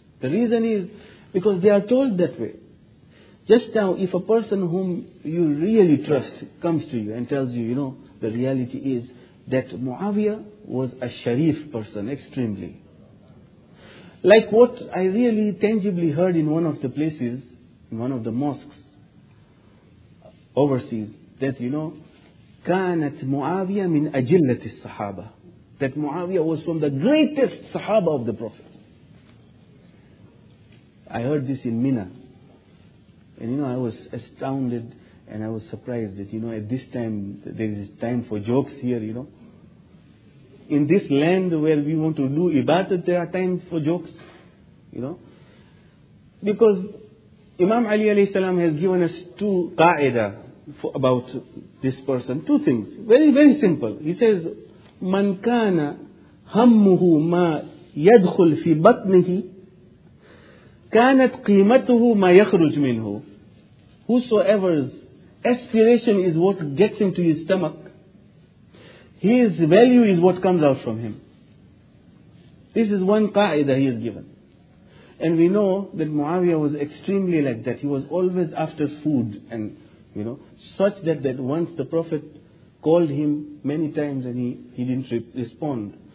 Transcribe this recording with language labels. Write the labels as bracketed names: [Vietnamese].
[English] The reason is because they are told that way. Just now, if a person whom you really trust comes to you and tells you, you know, the reality is that Muawiyah was a Sharif person, extremely. Like what I really tangibly heard in one of the places, in one of the mosques overseas, that, you know, [Arabic] كانت معاوية من أجلة الصحابة. [English] That Muawiyah was from the greatest Sahaba of the Prophet. I heard this in Mina. And you know, I was astounded and I was surprised that, you know, at this time, there is time for jokes here, you know. In this land where we want to do ibadah, there are times for jokes, you know. Because Imam Ali alayhi salam has given us two qa'idah about this person. Two things. Very, very simple. [Arabic] He says, من كان همه ما يدخل في بطنه كانت قيمته ما يخرج منه. [English] Whosoever's aspiration is what gets into his stomach, his value is what comes out from him. This is one qa'idah he has given. And we know that Muawiyah was extremely like that. He was always after food, and you know, such that once the Prophet called him many times and he didn't respond.